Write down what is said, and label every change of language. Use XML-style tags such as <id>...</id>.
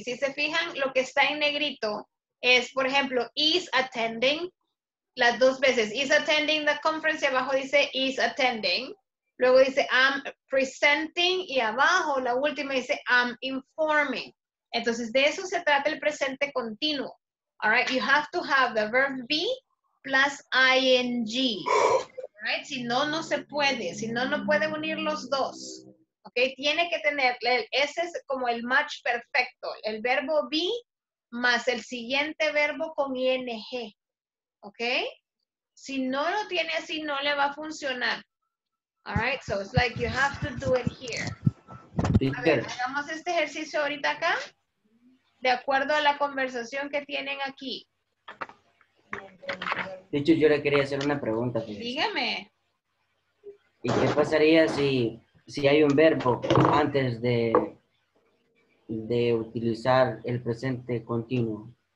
<es>Si se fijan, lo que está en negrito es, por ejemplo, is attending. Las dos veces, is attending the conference, y abajo dice, is attending. Luego dice,</es> <en>I'm presenting,</en> <es>y abajo, la última dice,</es> <en>I'm informing.</en> <es>Entonces, de eso se trata el presente continuo.</es> <en>All right, you have to have the verb be plus ing. All right,</en> <es>si no, no se puede. Si no, no puede unir los dos. Ok, tiene que tener, ese es como el match perfecto. El verbo be más el siguiente verbo con ing. ¿Ok? Si no lo tiene así, no le va a funcionar.</es> <en>All right? So it's like you have to do it here. Teacher.</en> <es>A ver, hagamos este ejercicio ahorita acá, de acuerdo a la conversación que tienen aquí. De hecho, yo le quería hacer una pregunta. Fíjese. Dígame. ¿Y qué pasaría si hay un verbo antes de utilizar el presente continuo?</es>